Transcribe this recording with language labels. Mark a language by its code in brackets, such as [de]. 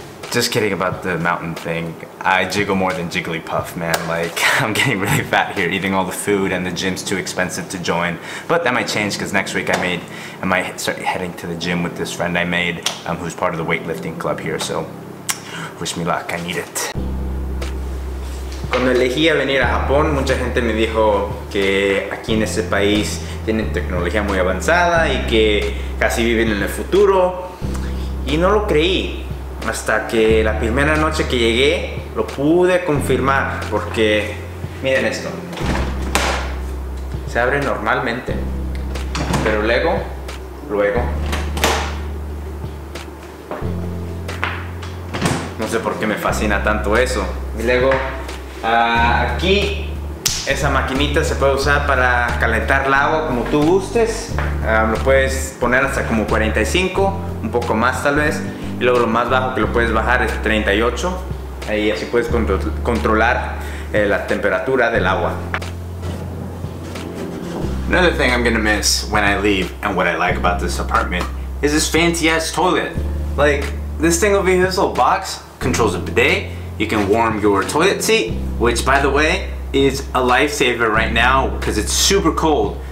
[en] Just kidding about the mountain thing. I jiggle more than Jigglypuff, man. Like, I'm getting really fat here, eating all the food, and the gym's too expensive to join. But that might change, because next week I might start heading to the gym with this friend I made, who's part of the weightlifting club here, so wish me luck, I need it. [es] Cuando elegí a venir a Japón, mucha gente me dijo que aquí en este país tienen tecnología muy avanzada y que casi viven en el futuro, y no lo creí. Hasta que la primera noche que llegué, lo pude confirmar, porque miren esto. Se abre normalmente. Pero luego, luego. No sé por qué me fascina tanto eso. Y luego, aquí, esa maquinita se puede usar para calentar el agua como tú gustes. Lo puedes poner hasta como 45, un poco más tal vez. Y luego lo más bajo que lo puedes bajar es 38. Ahí así puedes controlar la temperatura del agua. [en] Another thing I'm gonna miss when I leave and what I like about this apartment is this fancy ass toilet. Like, this thing over here, this little box, controls a bidet. You can warm your toilet seat, which by the way, is a lifesaver right now because it's super cold.